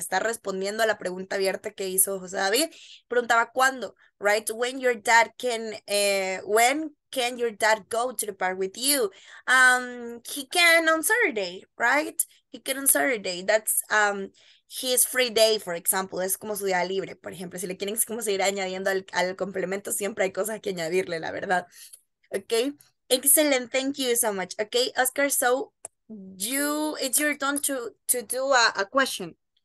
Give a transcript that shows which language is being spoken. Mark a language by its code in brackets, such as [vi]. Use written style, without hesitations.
[es] Está respondiendo a la pregunta abierta que hizo José David. Preguntaba cuándo, [en] right? When your dad can, when can your dad go to the park with you? He can on Saturday, right? He can on Saturday. That's, his free day, for example, [es] es como su día libre, por ejemplo. Si le quieren es como seguir añadiendo al complemento, siempre hay cosas que añadirle, la verdad. [en] Okay, excellent, thank you so much. Okay, Oscar, so it's your turn to do a question.